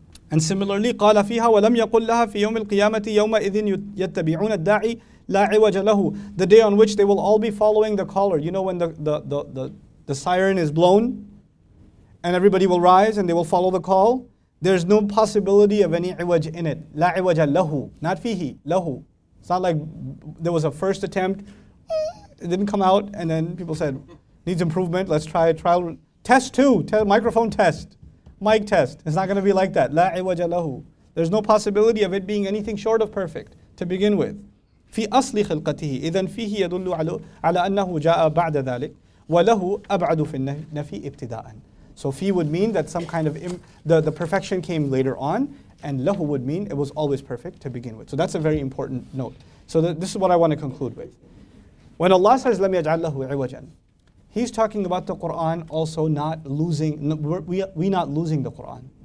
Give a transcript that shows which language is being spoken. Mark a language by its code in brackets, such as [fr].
[en] And similarly, [ar] قَالَ فِيهَا وَلَمْ يَقُلْ لَهَا فِي يَوْمِ الْقِيَامَةِ يَوْمَ إِذٍ يَتَّبِعُونَ الدَّاعِي لَا عِوَجَ لَهُ. [en] The day on which they will all be following the caller. You know when the siren is blown, and everybody will rise and they will follow the call? There's no possibility of any iwaj in it. [ar] لا عوج له, not fihi, له. [en] It's not like there was a first attempt, it didn't come out, and then people said, needs improvement, let's try a trial. Test two, microphone test, mic test. It's not going to be like that. [ar] لا عوج له. [en] There's no possibility of it being anything short of perfect to begin with. [ar] في أصل خلقته إذن فيه يدل على أنه جاء بعد ذلك وله أبعد في النفي ابتداء. [en] So fi would mean that some kind of the perfection came later on, and lahu would mean it was always perfect to begin with. So that's a very important note. So this is what I want to conclude with. When Allah says [ar] لم يجعل له عوجا, [en] He's talking about the Quran also not losing, we not losing the Quran.